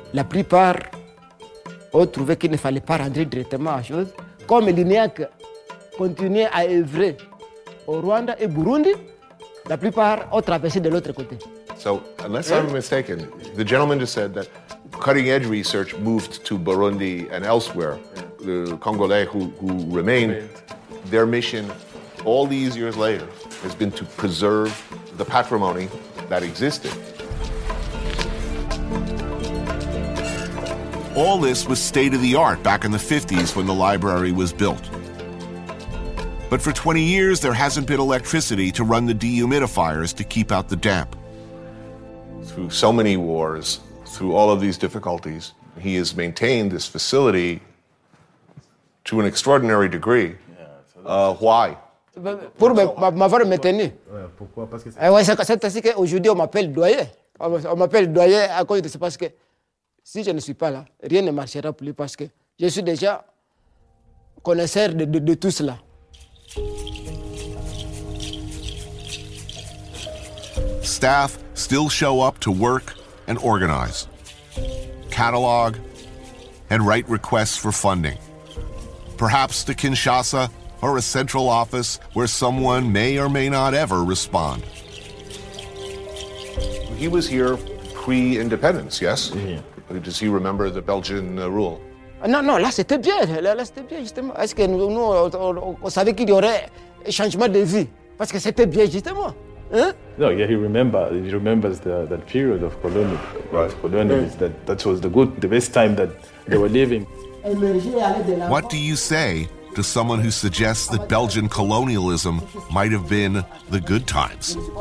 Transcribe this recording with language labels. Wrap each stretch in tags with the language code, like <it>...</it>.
<fr>La plupart ont trouvé qu'il ne fallait pas rentrer directement à choses. Comme l'INEAC continuait à œuvrer au Rwanda et Burundi, la plupart ont traversé de l'autre côté.</fr> <en>So, unless I'm mistaken, the gentleman just said that cutting-edge research moved to Burundi and elsewhere. Yeah. The Congolais who remained, their mission all these years later has been to preserve the patrimony that existed. All this was state-of-the-art back in the 50s when the library was built. But for 20 years, there hasn't been electricity to run the dehumidifiers to keep out the damp. Through so many wars, through all of these difficulties, he has maintained this facility to an extraordinary degree. Why?</en> <fr>Pour m'avoir maintenu. Pourquoi? Parce que c'est ainsi qu'aujourd'hui on m'appelle doyen. On m'appelle doyen à cause de ça parce que si je ne suis pas là, rien ne marchera plus parce que je suis déjà connaisseur de tout cela.</fr> <en>Staff still show up to work and organize, catalog, and write requests for funding. Perhaps to Kinshasa, or a central office where someone may or may not ever respond. He was here pre-independence, yes? Yeah. Does he remember the Belgian rule?</en> <fr>No, là c'était bien. Là c'était bien, justement. Est-ce que nous, on savait qu'il y aurait changement de vie? Parce que c'était bien, justement.</fr> <en>No, yeah, he remembers that period of colonial. Right. Colonialism, that was the best time that they were living. What do you say to someone who suggests that Belgian colonialism might have been the good times?</en>